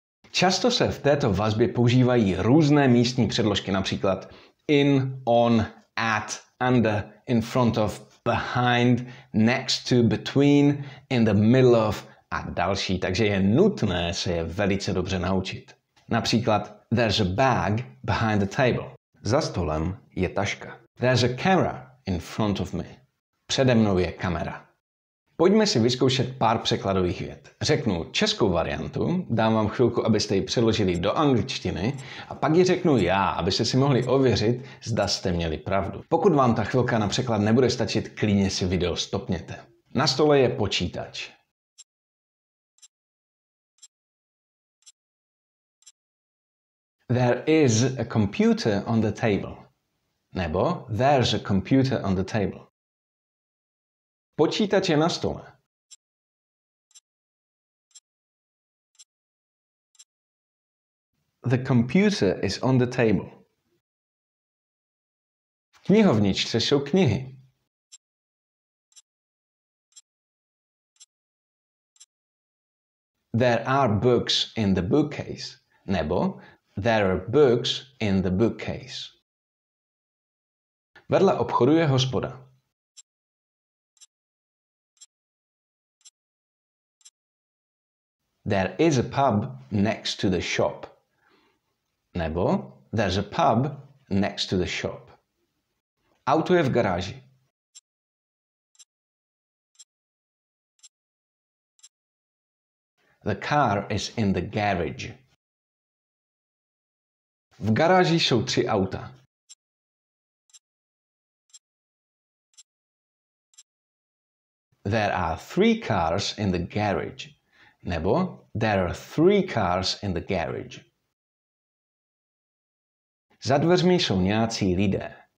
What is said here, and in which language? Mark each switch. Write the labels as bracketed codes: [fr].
[cs] Často se v této vazbě používají různé místní předložky, například [en] in, on, at, under, in front of, behind, next to, between, in the middle of [cs] a další, takže je nutné se je velice dobře naučit. Například [en] there's a bag behind the table. [cs] Za stolem je taška. [en] There's a camera in front of me. [cs] Přede mnou je kamera. Pojďme si vyzkoušet pár překladových vět. Řeknu českou variantu, dám vám chvilku, abyste ji přeložili do angličtiny a pak ji řeknu já, abyste si mohli ověřit, zda jste měli pravdu. Pokud vám ta chvilka na překlad nebude stačit, klidně si video stopněte. Na stole je počítač. [en] There is a computer on the table. [cs] Nebo [en] there's a computer on the table. [cs] Počítač je na stole. [en] The computer is on the table. [cs] V knihovničce jsou knihy. [en] There are books in the bookcase. [cs] Nebo [en] there are books in the bookcase. [cs] Vedle obchodu je hospoda. [en] There is a pub next to the shop. [cs] Nebo [en] there's a pub next to the shop. [cs] Auto je v garáži. [en] The car is in the garage. [cs] V garáži jsou tři auta. [en] There are three cars in the garage. [cs] Nebo [en] there are three cars in the garage. [cs] Za dveřmi jsou nějací lidé.